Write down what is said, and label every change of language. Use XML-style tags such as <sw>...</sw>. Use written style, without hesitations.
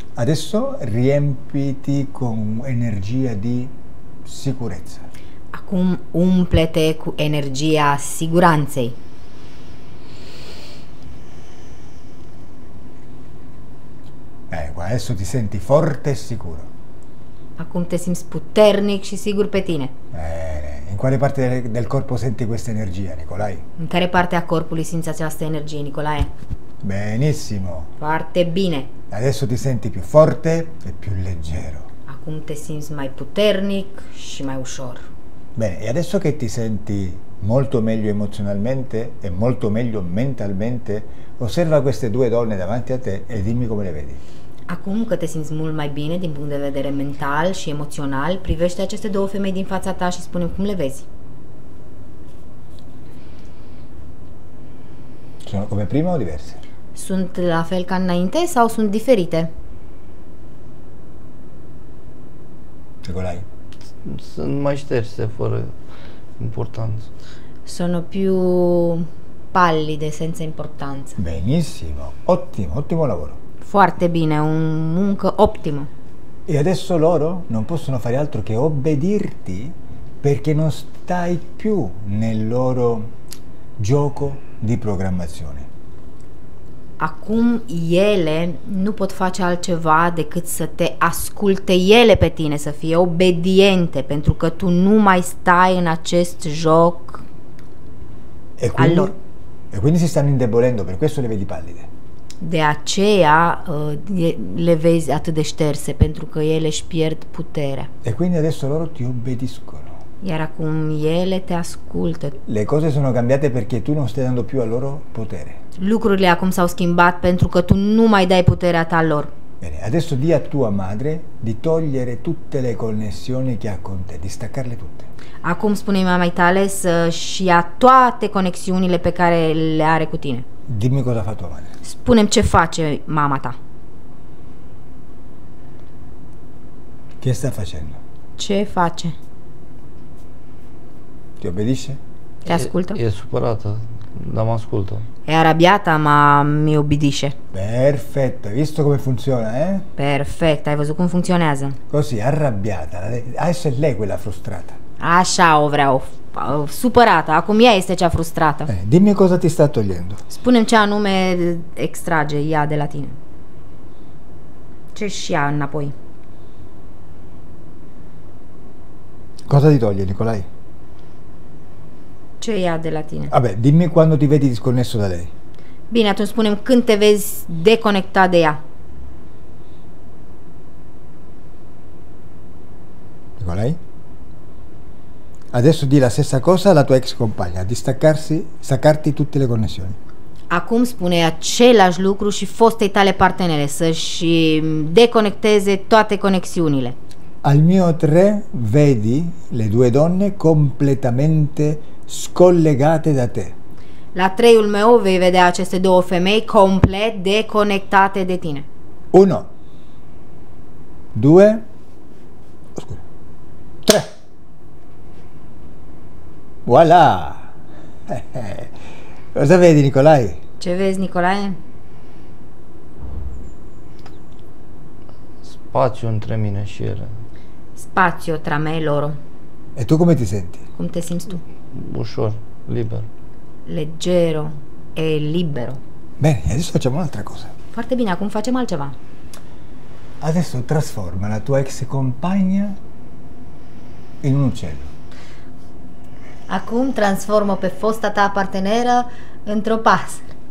<it>Adesso riempiti con energia di sicurezza.</it> <ro>Acum umple-te cu energia siguranței.</ro> <it>Ecco, adesso ti senti forte e sicuro.</it> <ro>Acum te simți puternic și sigur pe tine.</ro> <it>Bene. In quale parte del corpo senti questa energia, Nicolai?</it> <ro>In care parte a corpului simți această energie, Nicolae?</ro> <it>Benissimo.</it> <ro>Foarte bine.</ro> <it>Adesso ti senti più forte e più leggero.</it> <ro>Acum te simți mai puternic și mai ușor.</ro> <it>Bene, e adesso che ti senti molto meglio emozionalmente e molto meglio mentalmente, osserva queste due donne davanti a te e dimmi come le vedi.</it> <ro>Acum că te simți mult mai bine din punct de vedere mental și emoțional, privește aceste două femei din fața ta și spune-mi cum le vezi.</ro> <it>Sono come prima o diverse?</it> <ro>Sunt la fel ca înainte sau sunt diferite?</ro> <it>Nicolai?</it> <ro>Sunt mai șterse, fără importanță.</ro> <it>Sono più pallide, senza importanță. Benissimo, ottimo, ottimo lavoro.</it> <ro>Foarte bine, un muncă optimă.</ro> <it>E adesso loro non possono fare altro che obbedirti perché non stai più nel loro gioco di programmazione.</it> <ro>Acum ele nu pot face altceva decât să te asculte ele pe tine, să fie obediente, pentru că tu nu mai stai în acest joc al lor.</ro> <it>E quindi si stanno indebolendo, per questo le vedi pallide.</it> <ro>De aceea le vezi atât de șterse, pentru că ele își pierd puterea.</ro> <it>E quindi adesso loro ti obbediscono.</it> <ro>Iar acum ele te ascultă.</ro> <it>Le cose sono cambiate perché tu non stai dando più a loro potere.</it> <ro>Lucrurile acum s-au schimbat pentru că tu nu mai dai puterea ta lor.</ro> <it>Bene, adesso di a tua madre di togliere tutte le connessioni che ha con te, di staccarle tutte.</it> <ro>Acum spune mamei tale să și ia toate conexiunile pe care le are cu tine.</ro> <it>Dimmi cosa fa tua madre.</it> <ro>Spune-mi ce face mama ta.</ro> <it>Che sta facendo?</it> <ro>Ce face?</ro> <it>Ti obbedisce?</it> <ro>Te ascultă? E supărată, dar mă ascultă.</ro> <it>E arabiata, ma mi obbedisce. Perfetto, hai visto come funziona, eh? Perfetto,</it> <ro>hai văzut cum funcționează.</ro> <it>Così, arrabbiata, adesso è lei quella frustrata.</it> <ro>Așa o vreau, supărată, acum ea este cea frustrată.</ro> <it>Dimmi cosa ti sta togliendo.</it> <ro>Spune-mi ce anume extrage ea de la tine. Ce și ea înapoi.</ro> <it>Cosa ti toglie, Nicolai?</it> <ro>Ce ia de la tine?</ro> <it>Vabbè, dimmi quando ti vedi disconnesso da lei.</it> <ro>Bine, atunci spune-mi când te vezi deconectat de ea.</ro> <it>Nicolai? Adesso di la stessa cosa alla tua ex compagna, di staccarsi, staccarti tutte le connessioni.</it> <ro>Acum spune același lucru și fostei tale partenere, să-și deconecteze toate conexiunile.</ro> <it>Al mio tre vedi le due donne completamente scollegate da te.</it> <ro>La treiul meu vei vedea aceste două femei complet deconectate de tine.</ro> <it>Uno. Due.</it> <ro>Scuze.</ro> <it>Tre. Voilà. Cosa vedi, Nicolai?</it> <ro>Ce vezi, Nicolai? Spațiu între mine și ele. Spațiu</ro> <it>tra me e loro. E tu come ti senti?</it> <ro>Cum te simți tu? Ușor, liber.</ro> <it>Leggero e libero. Bene, adesso facciamo un'altra cosa.</it> <ro>Foarte bine, acum facem altceva.</ro> <it>Adesso trasforma la tua ex compagna in un uccello.</it> <ro>Acum transformo pe fosta ta parteneră într-o pasăre.</ro>